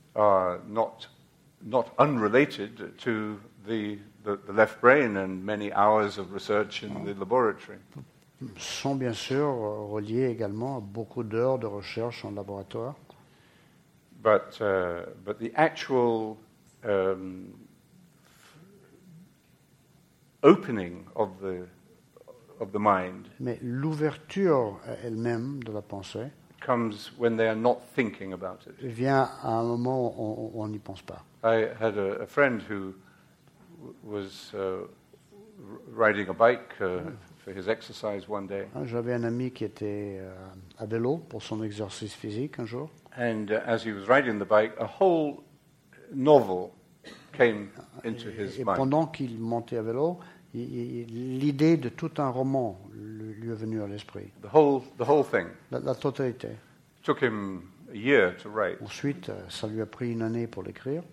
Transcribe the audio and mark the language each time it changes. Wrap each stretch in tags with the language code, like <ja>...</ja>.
<en>are not unrelated to the left brain and many hours of research in the laboratory.</en> <fr>Sont bien sûr reliés également à beaucoup d'heures de recherche en laboratoire.</fr> <en>But the actual opening of the mind.</en> <fr>Mais l'ouverture elle-même de la pensée</fr> <en>comes when they are not thinking about it.</en> <fr>Vient à un moment où on n'y pense pas.</fr> <en>I had a friend who was riding a bike for his exercise one day.</en> <fr>J'avais un ami qui était à vélo pour son exercice physique un jour.</fr> <en>And as he was riding the bike, a whole novel came into his mind.</en> <fr>Et pendant qu'il montait à vélo, l'idée de tout un roman lui est venue à l'esprit.</fr> <en>The whole thing.</en> <fr>La totalité.</fr> <en>It took him a year to write.</en> <fr>Ensuite, ça lui a pris une année pour l'écrire.</fr>